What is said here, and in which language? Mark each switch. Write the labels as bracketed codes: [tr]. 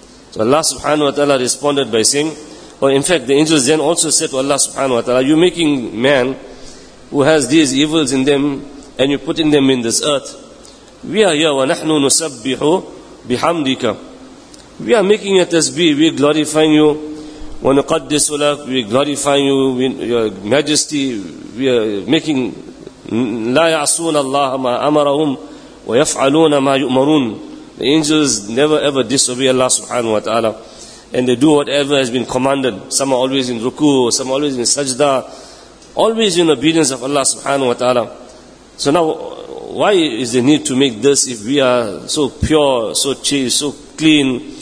[en] So Allah subhanahu wa ta'ala responded by saying, or in fact the angels then also said to Allah subhanahu wa ta'ala, you're making man who has these evils in them, and you're putting them in this earth. We are here, [ar] وَنَحْنُ نُسَبِّحُ بِحَمْدِكَ. [en] We are making a tasbih, we're glorifying you. [ar] وَنُقَدِّسُ لَكَ, [en] we're glorifying you, your majesty. We are making, [ar] لَا يَعْصُونَ اللَّهَ مَا أَمَرَهُمْ وَيَفْعَلُونَ مَا يُؤْمَرُونَ. [en] The angels never ever disobey Allah subhanahu wa ta'ala, and they do whatever has been commanded. Some are always in ruku, some are always in sajda, always in obedience of Allah subhanahu wa ta'ala. So now, why is the need to make this if we are so pure, so chaste, so clean,